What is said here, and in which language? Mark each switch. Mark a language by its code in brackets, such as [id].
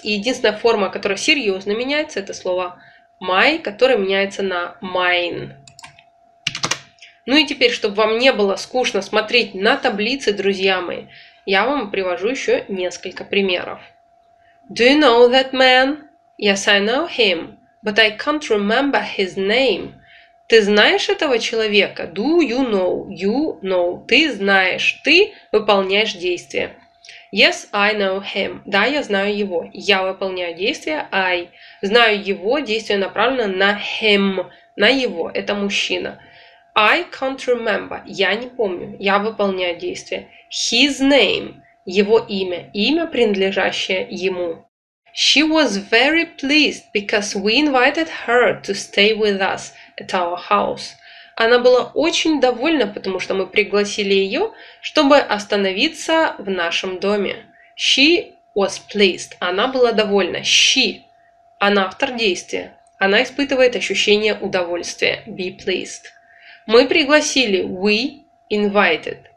[ru] И единственная форма, которая серьезно меняется, это слово my, которое меняется на mine. Ну и теперь, чтобы вам не было скучно смотреть на таблицы, друзья мои, я вам привожу еще несколько примеров. [en] Do you know that man? Yes, I know him, but I can't remember his name. [ru] Ты знаешь этого человека? [en] Do you know? You know. [ru] Ты знаешь. Ты выполняешь действие. [en] Yes, I know him. [ru] Да, я знаю его. Я выполняю действие. I знаю его. Действие направлено на him. На его, это мужчина. [en] I can't remember. [ru] Я не помню. Я выполняю действие. [en] His name. [ru] Его имя. Имя, принадлежащее ему. [en] She was very pleased because we invited her to stay with us at our house. [ru] Она была очень довольна, потому что мы пригласили ее, чтобы остановиться в нашем доме. [en] She was pleased. [ru] Она была довольна. [en] She. [ru] Она автор действия. Она испытывает ощущение удовольствия. [en] Be pleased. [ru] Мы пригласили. [en] We invited.